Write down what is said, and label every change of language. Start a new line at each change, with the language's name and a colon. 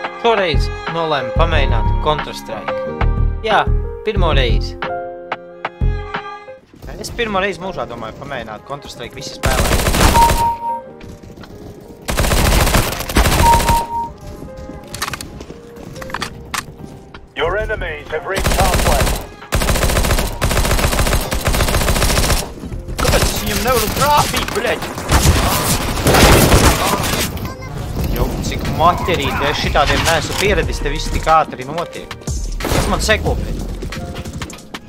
Latvian: Šoreiz nolēmu pamēģināt Counter-Strike. Jā, pirmo reizi. Es pirmo reizi mūžā domāju pamēģināt Counter-Strike visi spēlē.
English: Your enemies have reached halfway.
Latvian: Kāpēc es viņam nevaru trāpīt, bļeģi? Cik materīti, es šitādiem neesmu pieredis, te viss tik ātri notiek. Kas man seko pēc?